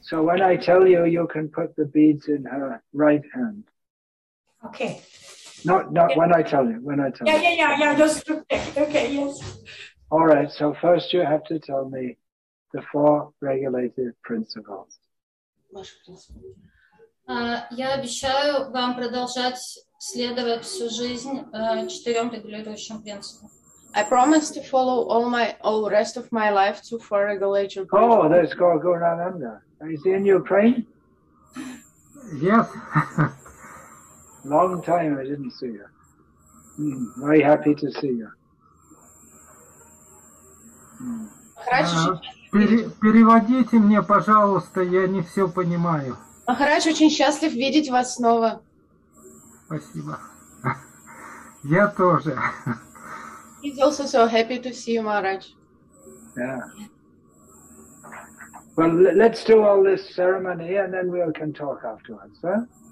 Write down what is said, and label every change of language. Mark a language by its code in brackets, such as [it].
[en] So when I tell you, you can put the beads in her right hand. Okay. Not yeah. when I tell you. Yeah, just okay, yes. All right, so first you have to tell me the four regulative principles. [ru] Я обещаю вам продолжать следовать всю жизнь четырем регулирующим принципам. [en] I promise to follow all rest of my life to four regulative principles. Oh, there's Gaura Gunananda. Is he in Ukraine? Yes. Long time I didn't see you. Very happy to see you. [ru] Переводите мне, пожалуйста, я не все понимаю. Махарадж очень счастлив видеть вас снова. Спасибо. Я тоже. [en] He's also so happy to see you, Maharaj. Yeah. Well, let's do all this ceremony and then we can talk afterwards, huh?